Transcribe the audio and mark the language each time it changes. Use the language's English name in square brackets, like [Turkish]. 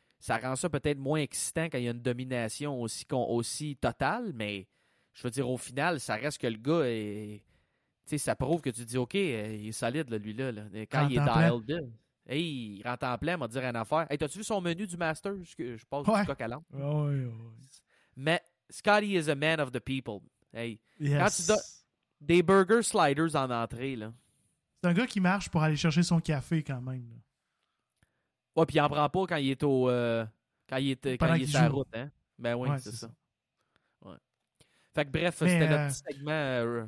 [French] ça rend ça peut-être moins excitant quand il y a une domination aussi, aussi totale, mais je veux dire, au final, ça reste que le gars est... Tu sais, ça prouve que tu dis, OK, il est solide, là, lui-là. Là. Quand il est dialed in, hey, il rentre en plein, m'a dit rien à faire. Hey, t'as-tu vu son menu du Master? Je passe ouais. du coq à l'âme. Oui, oui. Mais [English] Scotty is a man of the people. Hey, yes. [French] Quand tu des burger sliders en entrée, là. C'est un gars qui marche pour aller chercher son café quand même. Là. Ouais, puis il en prend pas quand il est au. Quand il est sur la route, hein. Ben oui, ouais, c'est ça. Fait que bref, mais c'était notre petit segment.